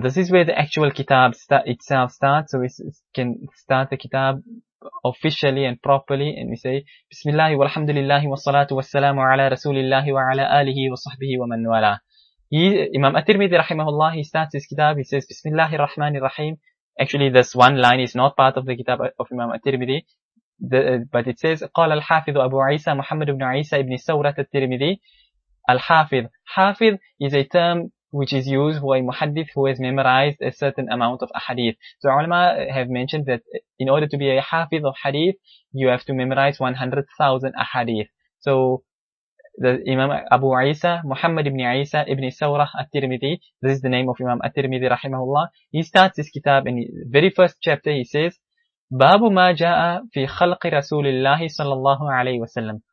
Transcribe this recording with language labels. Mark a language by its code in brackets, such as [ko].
[en] This is where the actual kitab itself starts, so we can start the kitab officially and properly, and we say, Bismillah walhamdulillahi wassalatu wassalamu ala rasulillahi wa ala alihi wa sahbihi wa man wala. Imam At-Tirmidhi rahimahullah, he starts his kitab, he says, Bismillahir Rahmanir Rahim. Actually, this one line is not part of the kitab of Imam At-Tirmidhi. But it says, [ar] قَالَ الْحَافِظُ أَبُو عِيسَى مُحَمَّدُ بْنُ عِيسَى إِبْنِ سَوْرَةَ التِّرْمِذِي. [en] Al-Hafidh. Hafidh is a term which is used for a muhaddith who has memorized a certain amount of ahadith. So ulama have mentioned that in order to be a hafidh of hadith, you have to memorize 100,000 ahadith. So the Imam Abu Isa, Muhammad ibn Isa, ibn Sawrah At-Tirmidhi, this is the name of Imam At-Tirmidhi rahimahullah, he starts his kitab in the very first chapter, he says, Babu ma ja'a fi khalqi rasulillahi sallallahu alayhi wa sallam.